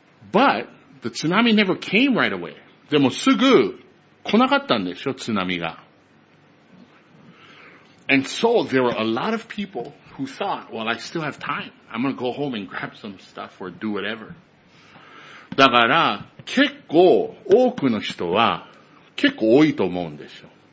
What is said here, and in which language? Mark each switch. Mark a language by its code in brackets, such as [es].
[en] But, the tsunami never came right away. [ja] でもすぐ来なかったんでしょ、津波が。 [en] And so, there were a lot of people who thought, well, I still have time. I'm gonna go home and grab some stuff or do whatever. [ja] だから、結構多くの人は、結構多いと思うんですよ。